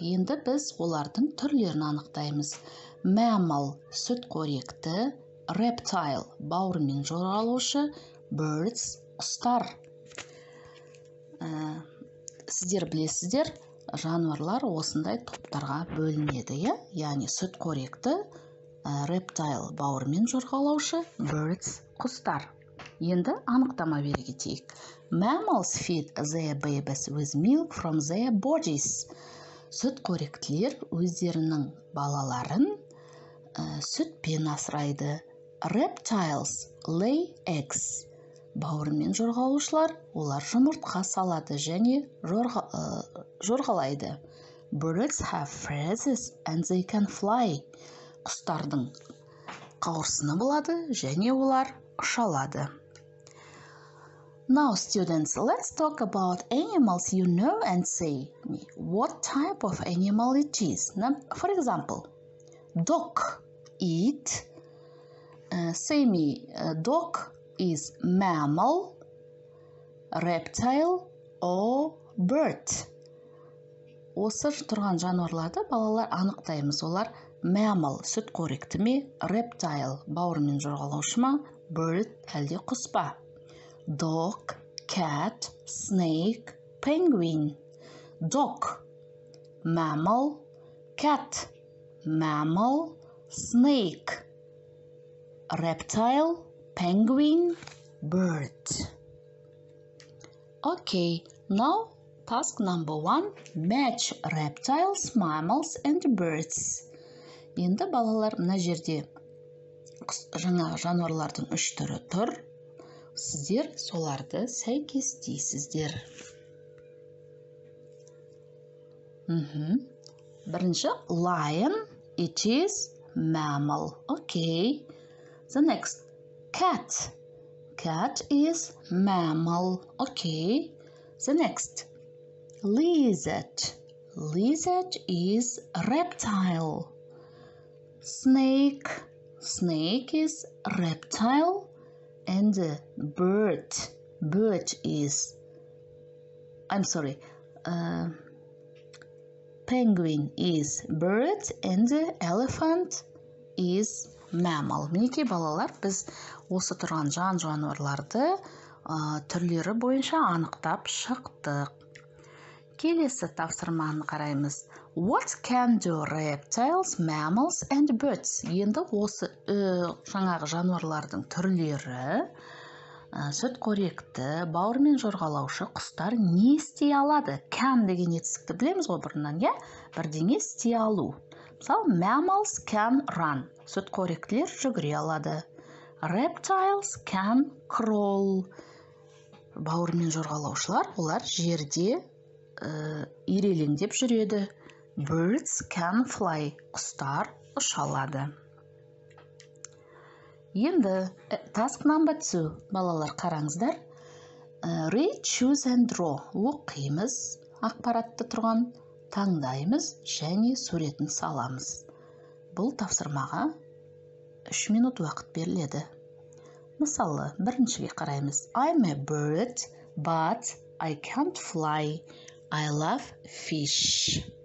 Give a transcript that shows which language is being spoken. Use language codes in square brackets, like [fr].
[kk] Енді біз олардың түрлерін анықтаймыз. Mammal – сүтқоректі, reptile – бауырмен жорғалаушы, birds – құстар. Сіздер білесіздер, жануарлар осындай топтарға бөлінеді, е? Яғни сүтқоректі, reptile – бауырмен жорғалаушы, birds – құстар. Енді анықтама бере кетейік. [en] Mammals feed their babies with milk from their bodies. [kk] Сүтқоректілер өздерінің балаларын сүтпен асырайды. [en] Reptiles lay eggs. [kk] Бауырмен жорғалаушылар олар жұмыртқа салады және жорғалайды. [en] Birds have feathers and they can fly. [kk] Құстардың қауырсыны болады және олар ұшалады. [en] Now, students, let's talk about animals you know and say what type of animal it is. Now, for example, dog eat. Say me, dog is mammal, reptile or bird. [kk] Осы тұрған жануарларды балалар анықтаймыз. Олар mammal, сүтқоректі ме, reptile, бауырмен жорғалаушы ма, bird, әлде құс па. [en] Dog, cat, snake, penguin. Dog, mammal, cat, mammal, snake, reptile, penguin, bird. Okay, now task number one. Match reptiles, mammals and birds. [kk] Енді балалар мына жерде жаңа жануарлардың үш түрі тұр. Сіздер соларды сәйкестейсіздер. [en] Бірінші, lion, it is mammal. Okay. The next, cat. Cat is mammal. Okay. The next, lizard. Lizard is reptile. Snake. Snake is reptile. And the bird, bird is, I'm sorry, penguin is bird and the elephant is mammal. [kk] Мінекей балалар, біз осы тұрған жануарларды түрлері бойынша анықтап шықтық. Келесі тапсырманы қараймыз. [en] What can do reptiles, mammals and birds? [kk] Енді осы жаңағы жануарлардың түрлері, сүтқоректі, бауырмен жорғалаушы құстар не істей алады? Can деген етістікті білеміз ғой бұрыннан, е? Бірдеңе істей алу. [en] Мысалы, mammals can run. [kk] Сүтқоректілер жүгіре алады. [en] Reptiles can crawl. [kk] Бауырмен жорғалаушылар олар жерде ирелеңдеп жүреді. [en] Birds can fly. [kk] Құстар ұшалады. Енді [en] task number 2. [kk] Балалар қараңыздар. [en] Read, choose and draw. [kk] Оқимыз ақпаратты тұрған. таңдаймыз және суретін саламыз. Бұл тапсырмаға 3 минут уақыт беріледі. Мысалы, біріншіге қараймыз. [en] I'm a bird, but I can't fly. I love fish.